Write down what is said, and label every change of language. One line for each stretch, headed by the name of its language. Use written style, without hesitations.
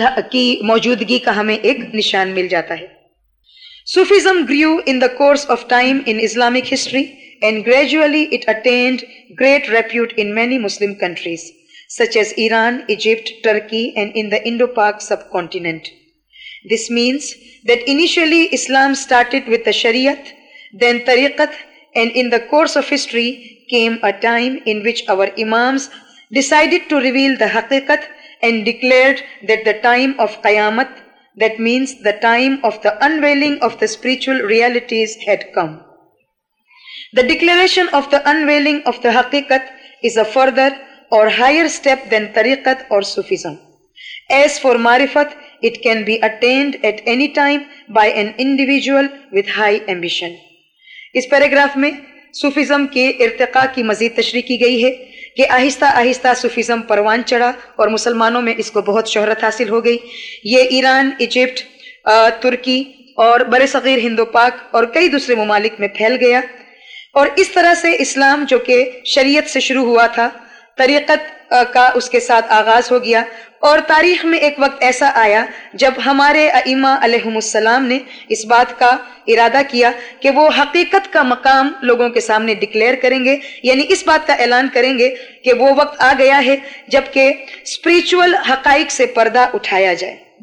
Urdu: کی موجودگی کا ہمیں ایک نشان مل جاتا ہے۔
English: Sufism grew in the course of time in Islamic history and gradually it attained great repute in many Muslim countries such as Iran, Egypt, Turkey, and in the Indo-Pak subcontinent. This means that initially Islam started with the Shariat, then Tariqat, and in the course of history came a time in which our Imams decided to reveal the Haqiqat and declared that the time of Qiyamat, that means the time of the unveiling of the spiritual realities, had come. The declaration of the unveiling of the Haqiqat is a further or higher step than tariqat or sufism. As for marifat, it can be attained at any time by an individual with high ambition.
Urdu: اس paragraph میں Sufism کے ارتقاء کی مزید تشریح کی گئی ہے کہ آہستہ آہستہ صوفیزم پروان چڑھا اور مسلمانوں میں اس کو بہت شہرت حاصل ہو گئی۔ یہ ایران، ایجپٹ، ترکی اور برے صغیر ہند و پاک اور کئی دوسرے ممالک میں پھیل گیا، اور اس طرح سے اسلام جو کہ شریعت سے شروع ہوا تھا، طریقت کا اس کے ساتھ آغاز ہو گیا، اور تاریخ میں ایک وقت ایسا آیا جب ہمارے ائمہ علیہم السلام نے اس بات کا ارادہ کیا کہ وہ حقیقت کا مقام لوگوں کے سامنے ڈکلیئر کریں گے، یعنی اس بات کا اعلان کریں گے کہ وہ وقت آ گیا ہے جب کہ اسپریچول حقائق سے پردہ اٹھایا جائے۔